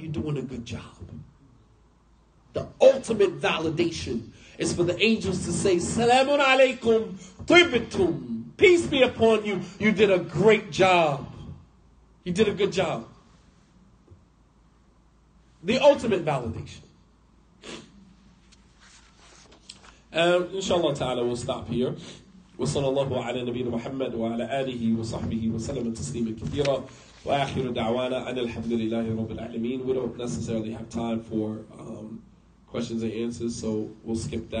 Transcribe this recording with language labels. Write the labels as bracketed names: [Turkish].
[English] You're doing a good job." The ultimate validation is for the angels to say, [Arabic] "Salamun alaykum, tibbitum, [English] peace be upon you. You did a great job. You did a good job." The ultimate validation. Inshallah ta'ala, we'll stop here. [Arabic] وصلى الله على نبينا محمد وعلى آله وصحبه وسلم تسليما كثيرا وآخر دعوانا أن الحمد لله رب العالمين. [English] We don't necessarily have time for questions and answers, so we'll skip that for today, and we'll save that for another time بإذن الله.